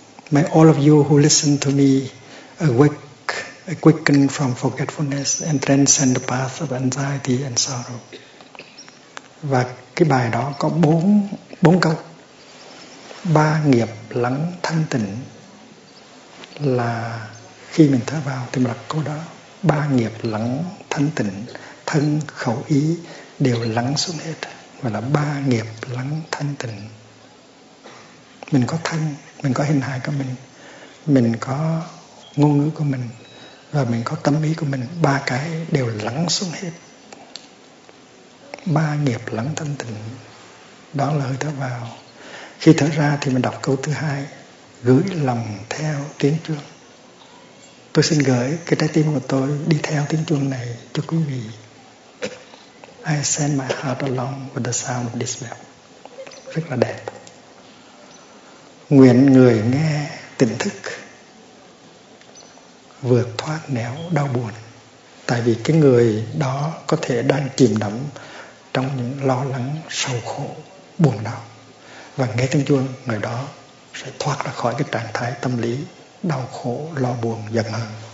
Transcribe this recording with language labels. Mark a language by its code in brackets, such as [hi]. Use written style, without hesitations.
[en] May all of you who listen to me awaken from forgetfulness and transcend the path of anxiety and sorrow. [vi] Và cái bài đó có bốn câu. Ba nghiệp lắng thanh tịnh là khi mình thở vào thì mình đặt câu đó. Ba nghiệp lắng thanh tịnh, thân khẩu ý đều lắng xuống hết, gọi là ba nghiệp lắng thanh tịnh. Mình có thân, mình có hình hài của mình có ngôn ngữ của mình và mình có tâm ý của mình, ba cái đều lắng xuống hết. Ba nghiệp lắng thanh tịnh, đó là hơi thở vào. Khi thở ra thì mình đọc câu thứ hai: gửi lòng theo tiếng chuông. Tôi xin gửi cái trái tim của tôi đi theo tiếng chuông này cho quý vị. [en] I send my heart along with the sound of this bell. [vi] Rất là đẹp. Nguyện người nghe tỉnh thức, vượt thoát nẻo đau buồn. Tại vì cái người đó có thể đang chìm đắm trong những lo lắng, sầu khổ, buồn đau. Và nghe tiếng chuông, người đó sẽ thoát ra khỏi cái trạng thái tâm lý đau khổ, lo buồn, giận hờn.